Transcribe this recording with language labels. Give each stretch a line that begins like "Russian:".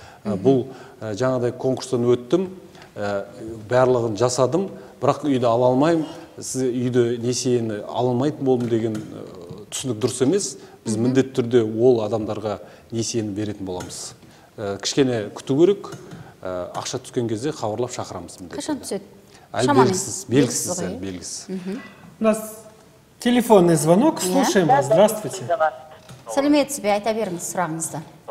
Kazakh: Бұл жаңадай конкурстан өттім, барлығын жасадым, бірақ үйді ала алмайым, сіз үйді несиені ала алмайтын болдым деген түсінік дұрыс емес. Біз міндетті түрде ол адамдарға несиені беретін боламыз. Кішкене күту керек, ақша түскен кезде хабарлап шақырамыз міндетті. Қашан түседі? Әлі белгісіз, белгісіз, белгісіз.
Russian: Нас телефонный звонок, слушаем вас. Здравствуйте.
Kazakh: Сәлеметсіз бе, айта беріңіз сұрағыңызды.